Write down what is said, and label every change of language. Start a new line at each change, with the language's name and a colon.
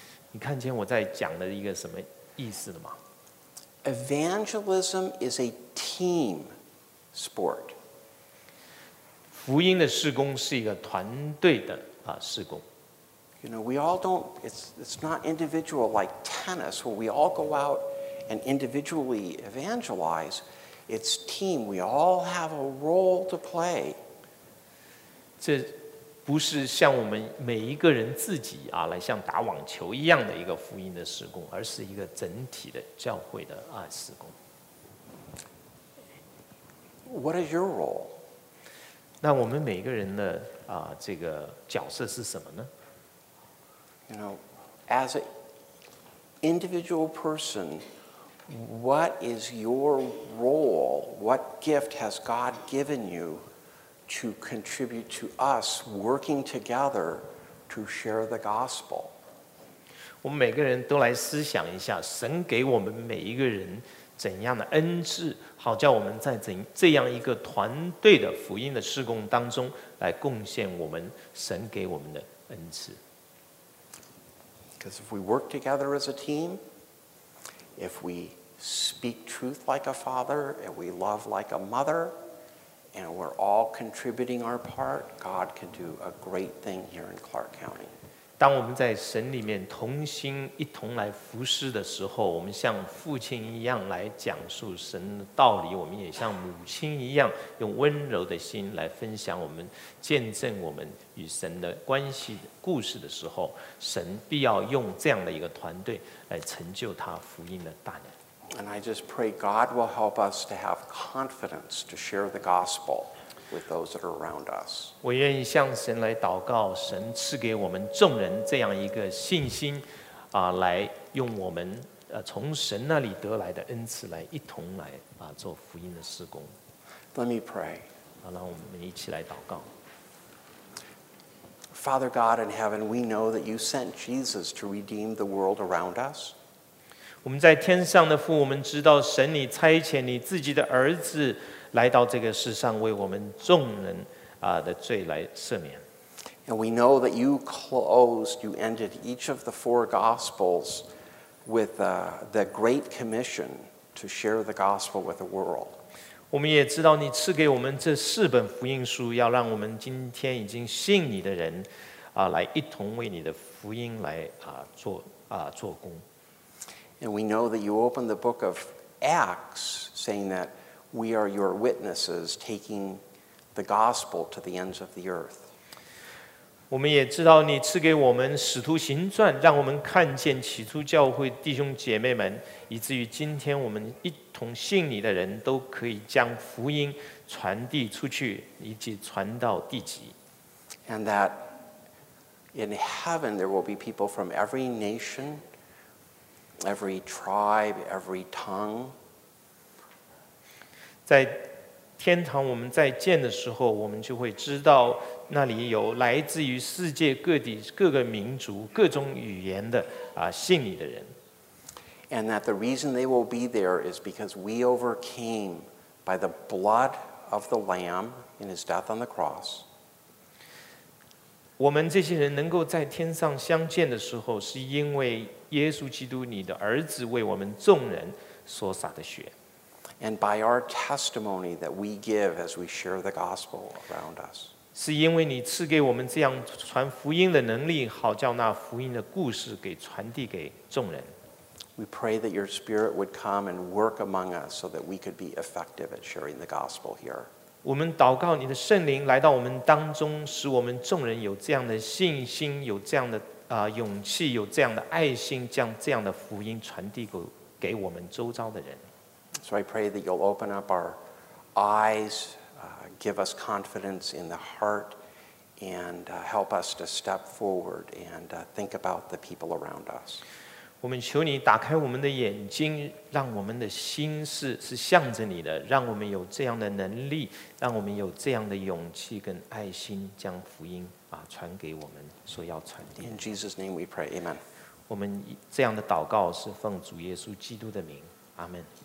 Chinese: 你看见我在讲的一个什么意思了吗？
English: Evangelism is a team sport.
Chinese: 福音的事工是一个团队的事工。
English: You know, we all don't, it's not individual like tennis where we all go out and individually evangelize, it's team. We all have a role to play.
Chinese: 这不是像我们每一个人自己来像打网球一样的一个福音的事工，而是一个整体的教会的事工。
English: What is your role?
Chinese: 那我们每一个人的这个角色是什么呢？
English: You know, as an individual person,What is your role? What gift has God given you to contribute to us working together to share the gospel?
Chinese: 我们每个人都来思想一下，神给我们每一个人怎样的恩赐，好叫我们在这样一个团队的福音的事工当中来贡献我们神给我们的恩赐。
English: Because if we work together as a team, if we speak truth like a father, and we love like a mother, and we're all contributing our part, God can do a great thing here in Clark County.
Chinese: 当我们在神里面同心一同来服侍的时候，我们像父亲一样来讲述神的道理，我们也像母亲一样用温柔的心来分享我们见证我们与神的关系的故事的时候，神必要用这样的一个团队来成就他福音的大能。
English: And I just pray God will help us to have confidence to share the gospel with those that are around us.
Chinese: 我愿意向神来祷告，神赐给我们众人这样一个信心，来用我们从神那里得来的恩赐来一同来做福音的事工。
English: Let me pray.
Chinese: 让我们一起来祷告。
English: Father God in heaven, we know that you sent Jesus to redeem the world around us.
Chinese: 我们在天上的父，我们知道神你差遣你自己的儿子来到这个世上，为我们众人的罪来赦免。
English: And we know that you closed, you ended each of the four gospels with the great commission to share the gospel with the world.
Chinese: 我们也知道你赐给我们这四本福音书，要让我们今天已经信你的人来一同为你的福音来做工。
English: And we know that you opened the book of Acts saying that we are your witnesses taking the gospel to the ends of the earth.
Chinese: 我们也知道你赐给我们使徒行传，让我们看见起初教会弟兄姐妹们，以至于今天我们一同信你的人都可以将福音传递出去，以及传到地极。
English: And that in heaven there will be people from every nation, every tribe, every tongue.
Chinese: 在天堂我们再见的时候，我们就会知道那里有来自于世界各地各个民族各种语言的信你的人。
English: And that the reason they will be there is because we overcame by the blood of the Lamb in his death on the cross.
Chinese: 我们这些人能够在天上相见的时候，是因为耶稣基督你的儿子为我们众人所洒的血。
English: And by our testimony that we give as we share the gospel around us.
Chinese: 是因为你赐给我们这样传福音的能力，好叫那福音的故事给传递给众人。
English: We pray that your spirit would come and work among us so that we could be effective at sharing the gospel here.
Chinese: 我们祷告你的圣灵来到我们当中，使我们众人有这样的信心，有这样的勇气，有这样的爱心，将这样的福音传递给我们周遭的人。
English: So I pray that you'll open up our eyes, give us confidence in the heart, and help us to step forward and think about the people around us.
Chinese: 我们求你打开我们的眼睛，让我们的心是向着你的，让我们有这样的能力，让我们有这样的勇气跟爱心，将福音传给我们所要传递。
English: In Jesus' name we pray, Amen.
Chinese: 我们这样的祷告是奉主耶稣基督的名，阿门。